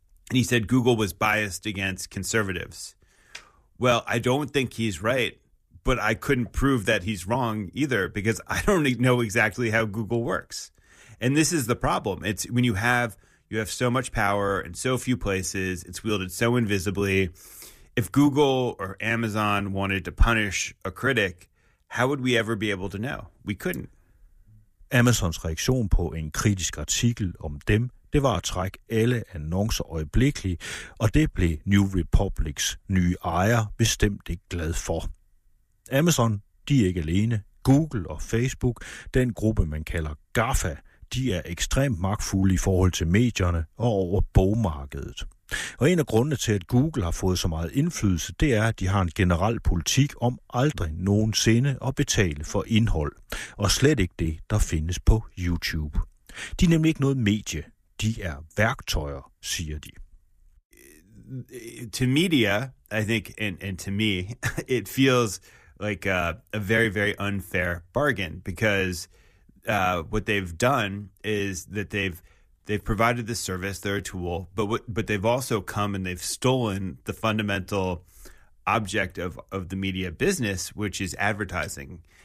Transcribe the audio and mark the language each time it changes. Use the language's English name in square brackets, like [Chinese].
[English] And he said Google was biased against conservatives. Well, I don't think he's right, but I couldn't prove that he's wrong either because I don't know exactly how Google works. And this is the problem. It's when you have so much power in so few places, it's wielded so invisibly. If Google or Amazon wanted to punish a critic, how would we ever be able to know? We couldn't. [Danish] Amazons reaktion på en kritisk artikel om dem, det var at trække alle annoncer øjeblikkeligt, og det blev New Republics nye ejer bestemt ikke glad for. Amazon, de er ikke alene. Google og Facebook, den gruppe man kalder GAFA, de er ekstremt magtfulde i forhold til medierne og over bogmarkedet. Og en af grundene til, at Google har fået så meget indflydelse, det er, at de har en generel politik om aldrig nogensinde at betale for indhold, og slet ikke det, der findes på YouTube. De er nemlig ikke noget medie. De er værktøjer, siger de. [English] To media, I think, and to me, it feels like a very, very unfair bargain because what they've done is that they've provided the service, they're a tool, but they've also come and they've stolen the fundamental object of the media business, which is advertising.